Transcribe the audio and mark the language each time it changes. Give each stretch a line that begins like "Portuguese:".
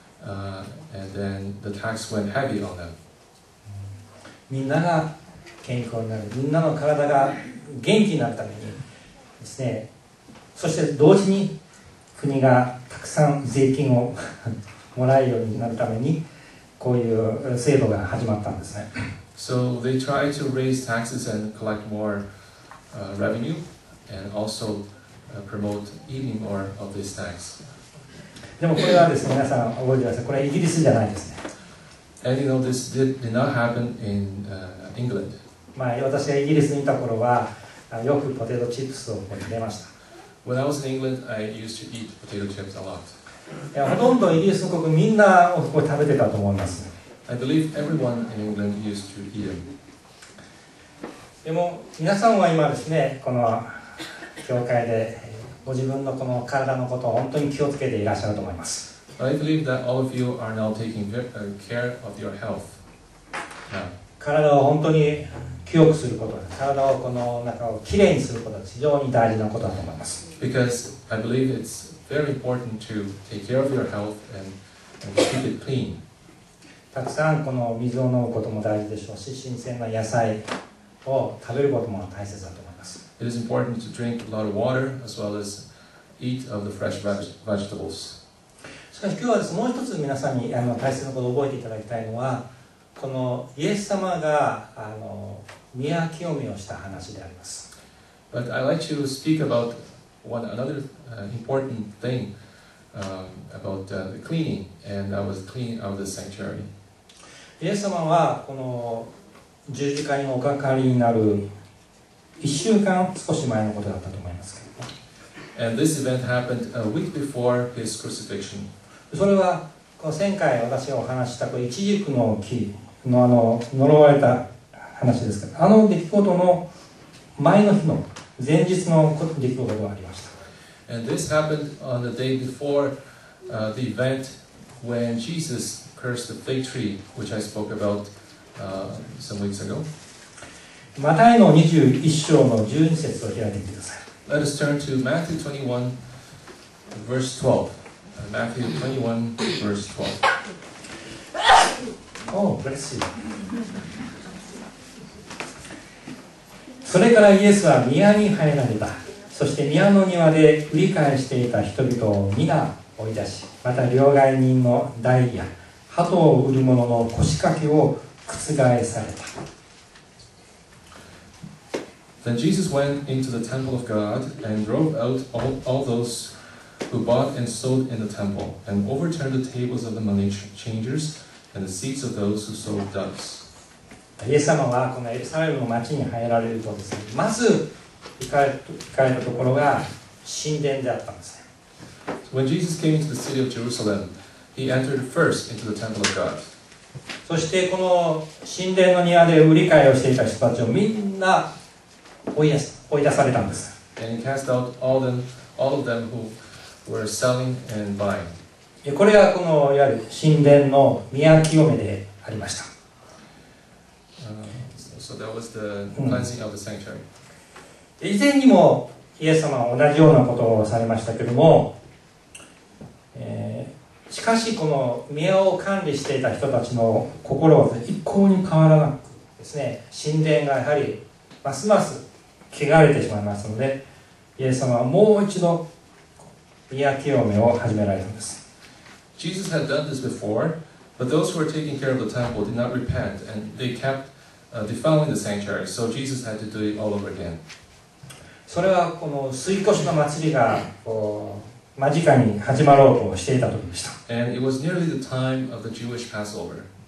English: And then the tax went heavy on them.
Japanese: みんなが健康になる、みんなの体が元気になるためにですね。そして同時に国がたくさん税金をもらえるようになるために、こういう制度が始まったんですね。
English: So they try to raise taxes and collect more revenue, and also promote eating more of this tax.
Japanese: でもこれはですね、皆さん覚えてください。これはイギリスじゃないですね。
English: And you know, this did not happen in England.
Japanese: 前、私がイギリスにいた頃は、よくポテトチップスを食べました。
English: When I was in England, I used to eat potato chips a lot.
Japanese: いや、ほとんどイギリスの国みんなこれ食べてたと思います。
English: I believe everyone in England used to eat them.
Japanese: でも、皆さんは今ですね、この教会で、ご自分のこの体のことを本当に気をつけていらっしゃると思います。
English: I believe that all of you are now taking care of your health. Yeah.
Japanese: 体を本当に清くすること、体をこの中をきれいにすることは非常に大事なことだと思います。
English: Because I believe it's very important to take care of your health and keep it clean.
Japanese: たくさんこの水を飲むことも大事でしょうし、新鮮な野菜を食べることも大切だと思います。
English: It is important to drink a lot of water as well as eat of the fresh vegetables.
Japanese: しかし今日はですね、もう一つ皆さんにあの大切なことを覚えていただきたいのは、このイエス様があの宮清めをした話であります。
English: But I'd like to speak about one another important thing about the cleaning and I was cleaning of the sanctuary.
Japanese: イエス様はこの十字架におかかりになる1週間少し前のことだったと思いますけど、ね、
English: And this event happened a week before his crucifixion.
Japanese: それはこの前回私がお話したこう一軸の木のあの呪われた話ですけど、あの出来事の前の日の前日の出来事がありました。
English: And this happened on the day before the event when Jesus cursed the fig tree, which I spoke about some weeks ago.
Japanese: マタイの21章の12節を開いてみてください。
English: Let us turn to Matthew 21, verse 12. Matthew 21, verse 12. Oh, bless you.
Japanese: それからイエスは宮に入られた。そして宮の庭で売り買いしていた人々を皆追い出し、また両替人の代や鳩を売る者の腰掛けを覆された。
English: Then Jesus went into the temple of God and drove out all those who bought and sold in the temple, and overturned the tables of the money changers and the seats of those who sold doves.
Japanese: イエス様はこのエルサレムの町に入られるとですね、まず行かれたところが神殿であったんですね。
English: So、when Jesus came into the city of Jerusalem, he entered first into the temple of God.
Japanese: そしてこの神殿の庭で売り買いをしていた人たちをみんな追い出されたんです。
English: And he cast out all of them who were selling and buying.
Japanese: これがこのいわゆる神殿の宮清めでありました。
English: So that was the cleansing of the sanctuary.
Japanese: 以前にもイエス様は同じようなことをされましたけども、しかしこの宮を管理していた人たちの心は一向に変わらなくですね、神殿がやはりますます汚れてしまいますので、イエス様はもう一度宮清めを始められたんです。
English: Jesus had done this before, but those who were taking care of the temple did not repent, and they kept defiling the sanctuary, so Jesus had to do it all over again.
Japanese: それはこの吸い越しの祭りが間近に始まろうとしていた時でした。
English: And it was nearly the time of the Jewish Passover.